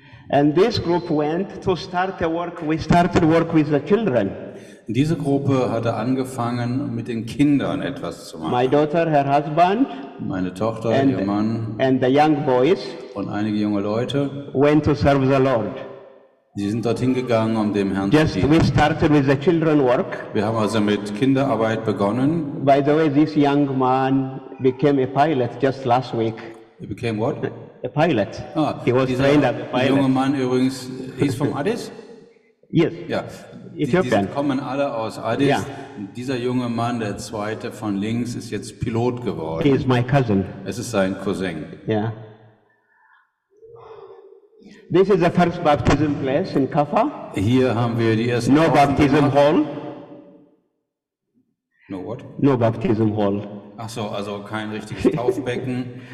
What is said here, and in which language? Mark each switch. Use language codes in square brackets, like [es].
[en] And this group went to start a work. We started work with the children. [de] Diese Gruppe hatte angefangen, mit den Kindern etwas zu machen. [en] My daughter, her husband, [de] meine Tochter, and, ihr Mann [en] and the young boys [de] und einige junge Leute [en] went to serve the Lord. [de] Sie sind dorthin gegangen, um dem Herrn [en] just [de] zu dienen. [en] We started with the children work. [de] Wir haben also mit Kinderarbeit begonnen. [en] By the way, this young man became a pilot just last week. He became what? A pilot. Ah, he was trained as a pilot. [de] Junge Mann übrigens, [en] he's from Addis? Yes. Yeah. [de] Die kommen alle aus Addis. Yeah. Dieser junge Mann, der zweite von links, ist jetzt Pilot geworden. [en] He is my cousin. [de] Es ist sein Cousin. [en] Yeah. This is the first baptism place in Kaffa. [de] Hier haben wir die erste. [en] No baptism hall. No what? No baptism hall. [de] Ach so, also kein richtiges Taufbecken.